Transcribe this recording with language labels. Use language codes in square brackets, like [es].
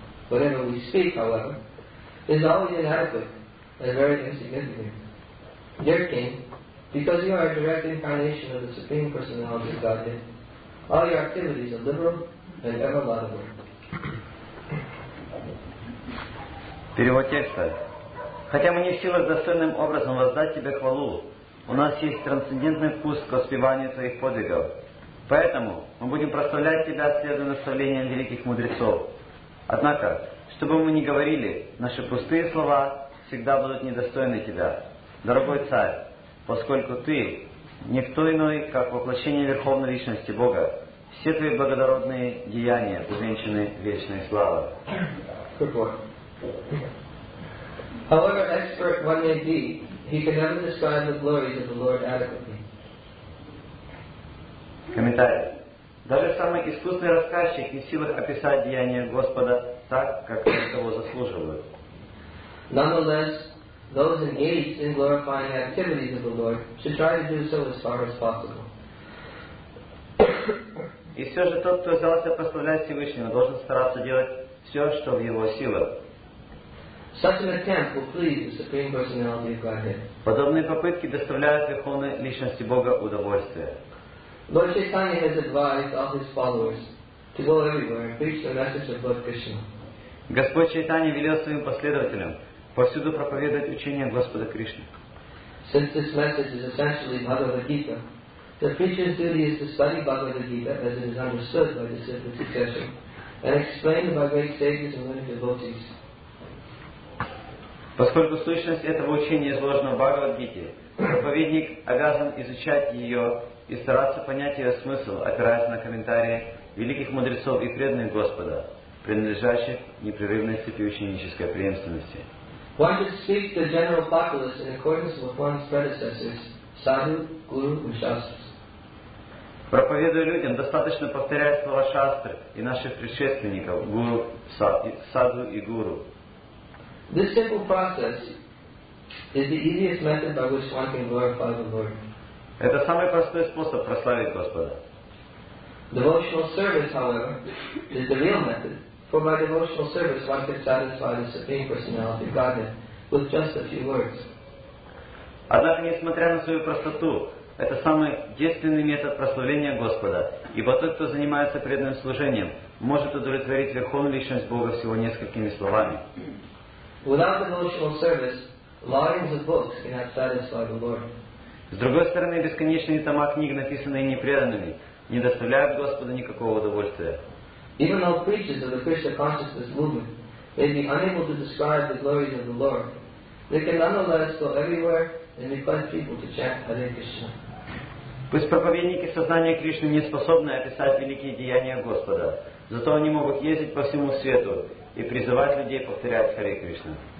[en] Whatever we speak, however, is always inadequate and very insignificant. Dear King, because you are a direct incarnation of the Supreme Personality of Godhead, all your activities are liberal and ever lovable. [ru] Перевод текста. Хотя мы не в силах достойным образом воздать тебе хвалу, у нас есть трансцендентный вкус к воспеванию твоих подвигов. Поэтому мы будем прославлять тебя, следуя наставлениям великих мудрецов. Однако, что бы мы ни говорили, наши пустые слова всегда будут недостойны тебя. Дорогой царь, поскольку ты не кто иной, как воплощение Верховной Личности Бога, все твои благородные деяния увенчаны вечной славой. [en] However expert one may be, he can never describe the glories of the Lord adequately. [ru] Комментарий. Даже самый искусный рассказчик не в силах описать деяния Господа так, как он того заслуживает. [en] Nonetheless, those engaged in glorifying activities of the Lord should try to do so as far as possible. [ru] И все же тот, кто взялся прославлять Всевышнего, должен стараться делать все, что в его силах. [en] Such an attempt will please the Supreme Personality of Godhead. [ru] Подобные попытки доставляют Верховной Личности Бога удовольствие. [en] Lord Chaitanya has advised all his followers to go everywhere and preach the message of Lord Krishna. [ru] Господь Чайтанья велел своим последователям повсюду проповедовать учение Господа Кришны. [en] Since this message is essentially Bhagavad Gita, the preacher's duty is to study Bhagavad Gita as it is understood by the Siddha succession and explained by great sages and learned devotees. [ru] Поскольку сущность этого учения изложена в Бхагавад-гите, проповедник обязан изучать ее и стараться понять ее смысл, опираясь на комментарии великих мудрецов и преданных Господа, принадлежащих непрерывной цепи ученической преемственности. [en] One should speak to the general populace in accordance with one's predecessors, sadhu, guru, and shastras. [ru] Проповедуя людям, достаточно повторять слова шастры и наших предшественников, гуру, садху и гуру. [en] This simple process is the easiest method by which one can glorify the Lord. [ru] Это самый простой способ прославить Господа. [en] Devotional service, however, is the real method, for by devotional service one can satisfy the Supreme Personality of Godhead with just a few words. [ru] Однако, несмотря на свою простоту, это самый действенный метод прославления Господа, ибо тот, кто занимается преданным служением, может удовлетворить Верховную Личность Бога всего несколькими словами. [en] Without devotional service, volumes of books cannot satisfy the Lord. [ru] С другой стороны, бесконечные тома книг, написанные непреданными, не доставляют Господу никакого удовольствия. [en] Even though preachers of the Krishna consciousness movement may be unable to describe the glories of the Lord, they can nonetheless go everywhere and request people to chant Hare Krishna. [ru] Пусть проповедники сознания Кришны не способны описать великие деяния Господа, зато они могут ездить по всему свету и призывать людей повторять Харе Кришна.